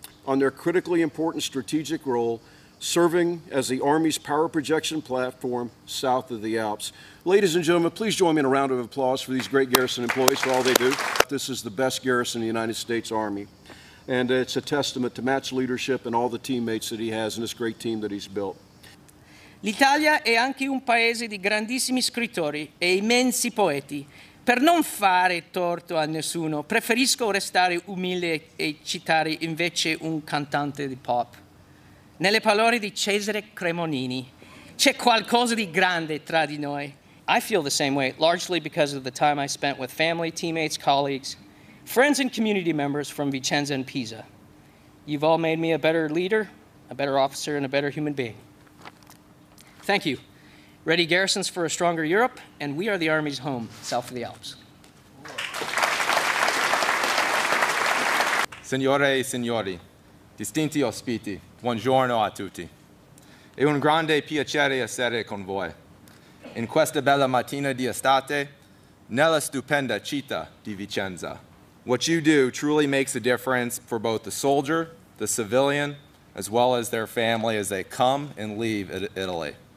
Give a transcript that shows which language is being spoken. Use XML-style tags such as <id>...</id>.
<en>On their critically important strategic role, serving as the Army's power projection platform south of the Alps. Ladies and gentlemen, please join me in a round of applause for these great Garrison employees for all they do. This is the best garrison in the United States Army, and it's a testament to Matt's leadership and all the teammates that he has and this great team that he's built.</en> <it>L'Italia è anche un paese di grandissimi scrittori e immensi poeti. Per non fare torto a nessuno, preferisco restare umile e citare invece un cantante di pop. Nelle parole di Cesare Cremonini, c'è qualcosa di grande tra di noi.</it> <en>I feel the same way, largely because of the time I spent with family, teammates, colleagues, friends and community members from Vicenza and Pisa. You've all made me a better leader, a better officer, and a better human being. Thank you. Ready garrisons for a stronger Europe, and we are the Army's home, south of the Alps.</en> <it>Signore e signori, distinti ospiti, buongiorno a tutti. È un grande piacere essere con voi. In questa bella mattina di estate, nella stupenda città di Vicenza.</it> <en>What you do truly makes a difference for both the soldier, the civilian, as well as their family as they come and leave Italy.</en>